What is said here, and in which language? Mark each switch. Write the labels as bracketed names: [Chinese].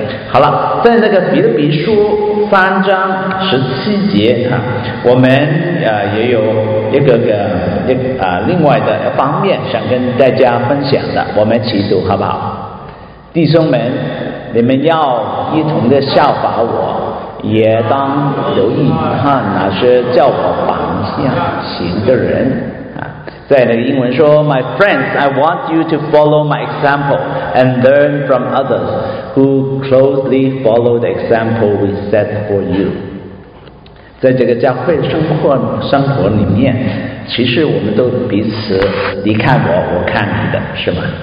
[Chinese] 好了，在那个彼得笔书三章十七节啊，我们也有一个另外的方面想跟大家分享的，我们一起读好不好？弟兄们，你们要一同的效法我，也当留意看那些叫我榜样行的人。在那个英文说 [English] My friends, I want you to follow my example and learn from others who closely follow the example we set for you. [Chinese] 在这个教会生活里面，其实我们都彼此，你看我，我看你的，是吗？